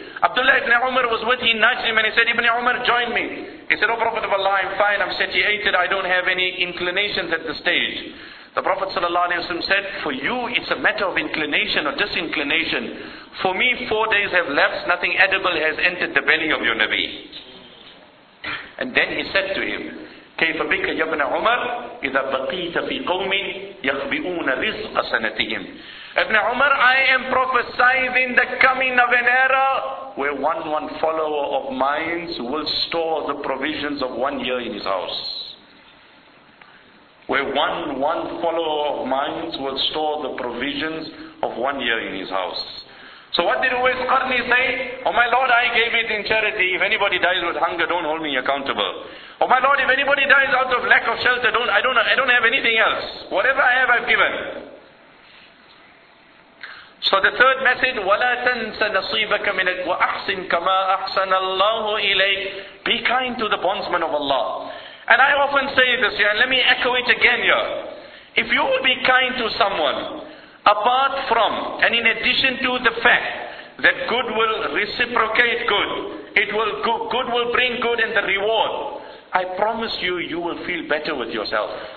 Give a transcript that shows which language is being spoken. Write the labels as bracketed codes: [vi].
[en] Abdullah ibn Umar was with him, nudged him, and he said, Ibn Umar, join me. He said, O Prophet of Allah, I'm fine, I'm satiated, I don't have any inclinations at this stage. The Prophet ﷺ said, for you it's a matter of inclination or disinclination. For me, 4 days have lapsed, nothing edible has entered the belly of your Nabi. And then he said to him, [ar] كَيْفَ بِكَ يَبْنَ عُمَرْ إِذَا بَقِيْتَ فِي قَوْمٍ يَخْبِئُونَ رِزْقَ سَنَتِهِمْ. [en] Ibn Umar, I am prophesying the coming of an era where one follower of mine will store the provisions of 1 year in his house. Where one follower of mine will store the provisions of 1 year in his house. So what did Uwais Qarni say? Oh my Lord, I gave it in charity. If anybody dies with hunger, don't hold me accountable. Oh my Lord, if anybody dies out of lack of shelter, I don't have anything else. Whatever I have, I've given. So the third message, [ar] وَلَا تَنْسَ نَصِيبَكَ مِنَ وَأَحْسِنْ كَمَا أَحْسَنَ اللَّهُ إِلَيْكَ. [en] Be kind to the bondsman of Allah. And I often say this here, and let me echo it again here. If you will be kind to someone, apart from, and in addition to the fact, that good will reciprocate good, good will bring good and the reward, I promise you, you will feel better with yourself.